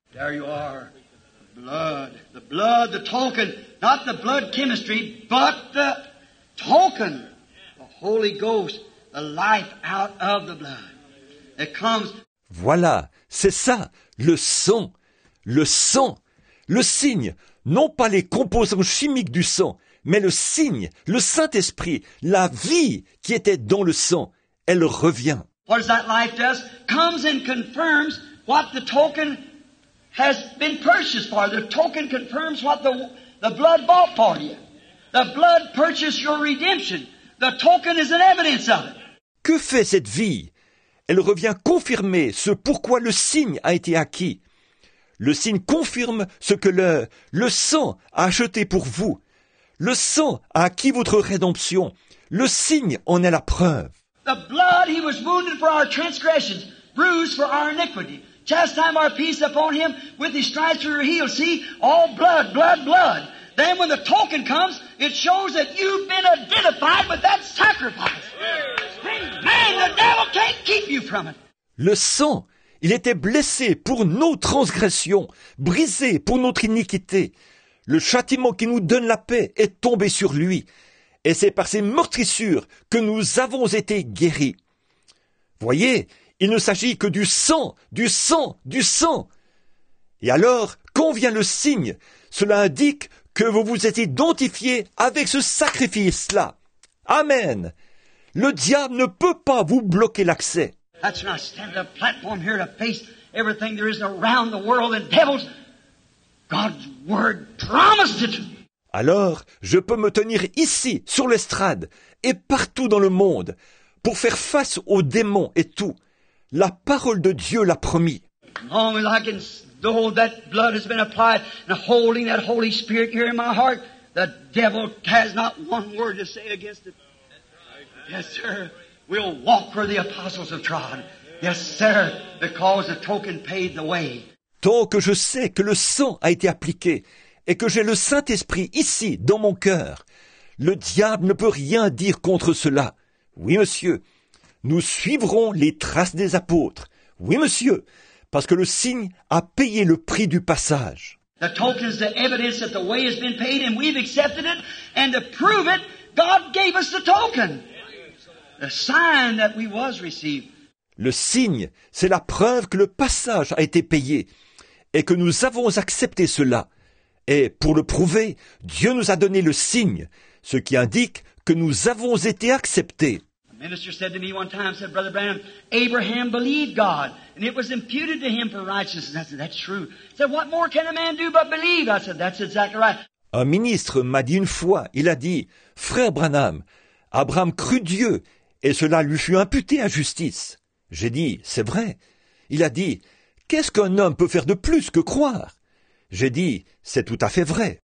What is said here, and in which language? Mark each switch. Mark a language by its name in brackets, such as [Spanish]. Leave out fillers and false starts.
[English] There you are. Blood, the token, not the blood chemistry, but the token, the Holy Ghost, the life out of the blood. It comes. [French] Voilà, c'est ça, le sang, le signe, non pas les composants chimiques du sang, mais le signe, le Saint-Esprit, la vie qui était dans le sang, elle revient. [English] What that life does comes and confirms what the token has been purchased for. The token confirms what the blood bought for you. The blood purchased your redemption. The token is an evidence of it. [French] Que fait cette vie? Elle revient confirmer ce pourquoi le signe a été acquis. Le signe confirme ce que le sang a acheté pour vous. Le sang a acquis votre rédemption. Le signe en est la preuve. [English] The blood, he was wounded for our transgressions, bruised for our iniquity. Chastise our peace upon him, with his stripes we were healed. See, all blood, blood, blood. Then when the token comes, it shows that you've been identified with that sacrifice. Man, the devil can't keep you from it. [French] Le sang, il était blessé pour nos transgressions, brisé pour notre iniquité. Le châtiment qui nous donne la paix est tombé sur lui. et c'est par ses meurtrissures que nous avons été guéris. Voyez, il ne s'agit que du sang, du sang, du sang. Et alors, quand vient le signe, cela indique que vous vous êtes identifié avec ce sacrifice-là. Amen. Le diable ne peut pas vous bloquer l'accès. [English] That's not standing on a platform here to face everything there is around the world and devils. God's word promised it. [French] Alors, je peux me tenir ici, sur l'estrade, et partout dans le monde, pour faire face aux démons et tout. La parole de Dieu l'a promis. [English] Long as I can, though that blood has been applied, and holding that Holy Spirit here in my heart, the devil has not one word to say against it. Yes, sir. We'll walk where the apostles have trod. Yes, sir. Because the token paid the way. [French] Tant que je sais que le sang a été appliqué, et que j'ai le Saint-Esprit ici, dans mon cœur. Le diable ne peut rien dire contre cela. Oui, monsieur, nous suivrons les traces des apôtres. Oui, monsieur, parce que le signe a payé le prix du passage. [English] The token is the evidence that the way has been paid and we've accepted it. And to prove it, God gave us the token. The sign that we was received. [French] Le signe, c'est la preuve que le passage a été payé et que nous avons accepté cela. Et pour le prouver, Dieu nous a donné le signe, ce qui indique que nous avons été acceptés. [English] A minister said to me one time, said Brother Branham, Abraham believed God, and it was imputed to him for righteousness. I said, that's true. He said, what more can a man do but believe? I said, that's exactly right. [French] Un ministre m'a dit une fois, il a dit, Frère Branham, Abraham crut Dieu, et cela lui fut imputé à justice. J'ai dit, c'est vrai. Il a dit, qu'est-ce qu'un homme peut faire de plus que croire? J'ai dit, c'est tout à fait vrai.